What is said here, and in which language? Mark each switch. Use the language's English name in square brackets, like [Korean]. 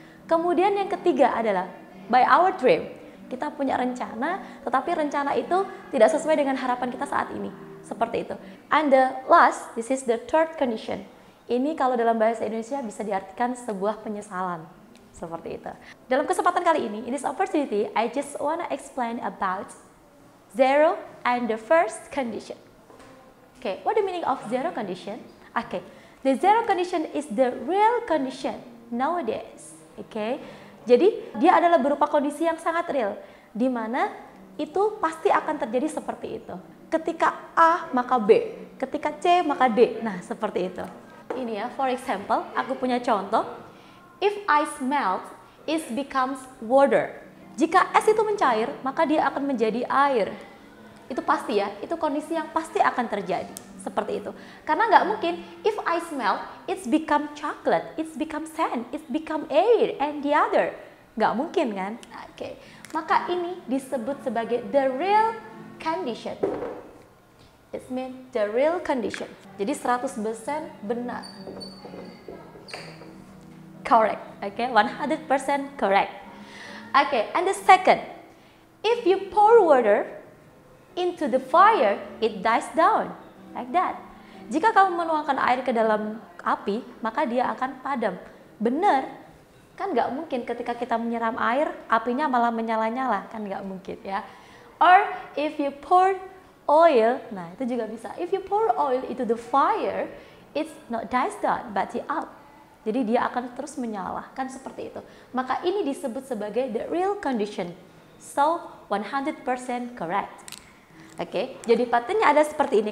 [Indonesian] Kemudian yang ketiga adalah [English] by our dream. [Indonesian] Kita punya rencana, tetapi rencana itu tidak sesuai dengan harapan kita saat ini. Seperti itu. [English] And the last, this is the third condition. [Indonesian] Ini kalau dalam bahasa Indonesia bisa diartikan sebuah penyesalan. Seperti itu. Dalam kesempatan kali ini, [English] in this opportunity, I just wanna explain about zero and the first condition. Okay, what the meaning of zero condition? Okay, the zero condition is the real condition nowadays. [Indonesian] Okay, jadi dia adalah berupa kondisi yang sangat real, di mana itu pasti akan terjadi seperti itu. Ketika A maka B, ketika C maka D. Nah, seperti itu. Ini ya, [English] for example, [Indonesian] aku punya contoh. [English] If ice melts, it becomes water. [Indonesian] Jika es itu mencair, maka dia akan menjadi air. Itu pasti ya, itu kondisi yang pasti akan terjadi. Seperti itu. Karena nggak mungkin, [English] if ice melt, it's become chocolate, it's become sand, it's become air, and the other. [Indonesian] Nggak mungkin kan? Oke. Maka ini disebut sebagai [English] the real condition. It means the real condition. [Indonesian] Jadi 100% benar. [English] Correct. Oke, 100% correct. Oke, and the second. If you pour water into the fire, it dies down. Like that. [Indonesian] Jika kamu menuangkan air ke dalam api, maka dia akan padam. Benar. Kan gak mungkin ketika kita menyiram air, apinya malah menyala-nyala. Kan gak mungkin ya. [English] Or if you pour oil, [Indonesian] nah itu juga bisa. [English] If you pour oil into the fire, it's not dies down, but it up. [Indonesian] Jadi dia akan terus menyala. Kan seperti itu. Maka ini disebut sebagai [English] the real condition. So, 100% correct. [Indonesian] Oke, jadi patternnya ada seperti ini.